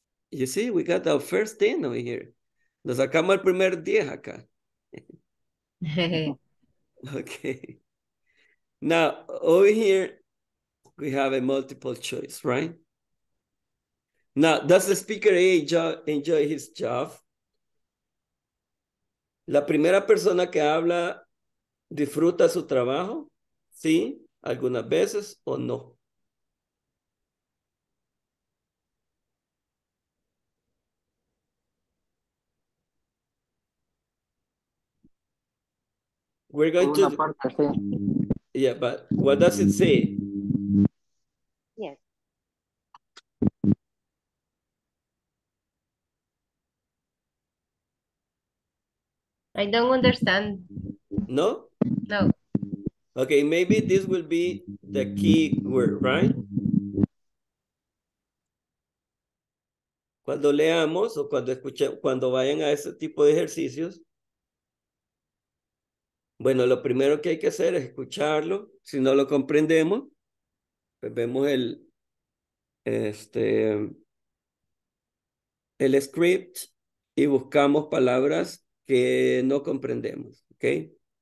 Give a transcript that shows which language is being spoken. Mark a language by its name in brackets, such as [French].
[English] You see, we got our first 10 over here. [Spanish] Nos sacamos el primer 10 acá. [English] Okay. Now, over here, we have a multiple choice, right? Now, does the speaker A enjoy his job? [Spanish] ¿La primera persona que habla disfruta su trabajo? ¿Sí? ¿Algunas veces o no? [English] We're going to... Yeah, but what does it say? Yes. I don't understand. No? No. Okay, maybe this will be the key word, right? [Spanish] Cuando leamos o cuando escuchen, cuando vayan a ese tipo de ejercicios, bueno, lo primero que hay que hacer es escucharlo. Si no lo comprendemos, pues vemos el script y buscamos palabras que no comprendemos, ¿ok?